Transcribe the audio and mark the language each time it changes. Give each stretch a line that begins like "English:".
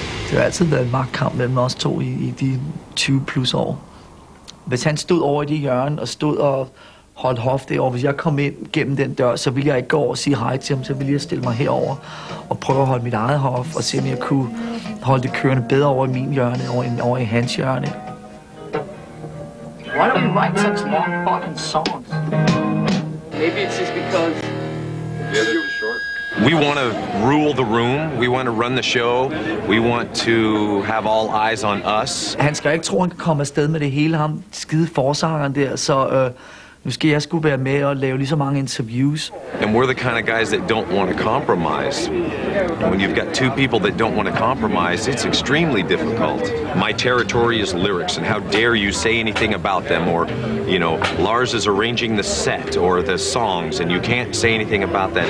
Danish: Det har altid været en magtkamp mellem os to i de 20 plus år. Hvis han stod over i de hjørne og stod og holdt hofte over, hvis jeg kom ind gennem den dør, så ville jeg ikke gå og sige hej til ham, så ville jeg stille mig herover og prøve at holde mit eget hof og se, om jeg kunne holde det kørende bedre over i min hjørne end over i hans hjørne.
English: Why don't we write such long fucking songs? Maybe it's just because... We want to rule the room. We want to run the show. We want to have all eyes on us.
Danish: Han skal ikke tro, han kan komme afsted med det hele, ham skide forsangeren der, så nu skal jeg sgu være med og lave lige så mange interviews.
English: And we're the kind of guys that don't want to compromise. And when you've got two people that don't want to compromise, it's extremely difficult. My territory is lyrics, and how dare you say anything about them, or, you know, Lars is arranging the set or the songs, and you can't say anything about that.